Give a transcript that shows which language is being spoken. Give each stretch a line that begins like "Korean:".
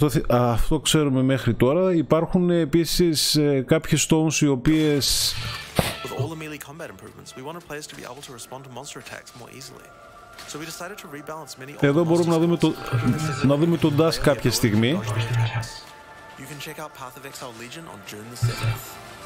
Greek: Αυτό ξέρουμε μέχρι τώρα. Υπάρχουν επίσης κάποιες stones οι οποίες...
English: With all the melee combat improvements, we want our players to be able to respond to monster attacks more easily. So we decided to rebalance many...
Greek: Εδώ μπορούμε να δούμε τον Dusk κάποια στιγμή.
English: You can check out Path of Exile Legion on June the 7th.